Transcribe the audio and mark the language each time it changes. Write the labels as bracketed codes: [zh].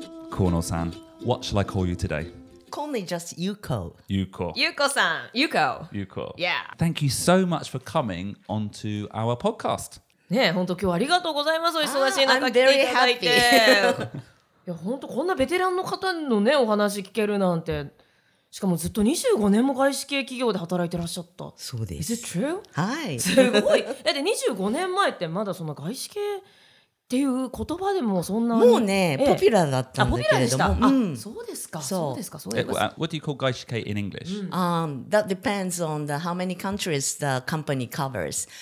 [en] Kono-san, what shall I call you today? Call me just Yuko. Yuko. Yuko-san. Yuko. Yuko. Yeah. Thank you so much for coming onto our podcast. [ja] ね、本当今日ありがとうございます。お忙しい中来ていただいて。 [en] I'm very happy. [ja] いや、本当こんなベテランの方のね、お話聞けるなんて…しかもずっと25年も外資系企業で働いてらっしゃった。そうです。 [en] Is it true? [ja] はい。すごい。だって25年前ってまだその外資系っていう言葉でもそんなもうね、ポピュラーだったんだけれども。あ、ポピュラーでした。あ、そうですか。そうですか。そうですか。 [en] What do you call 外資系 in English?、 That depends on how many countries the company covers.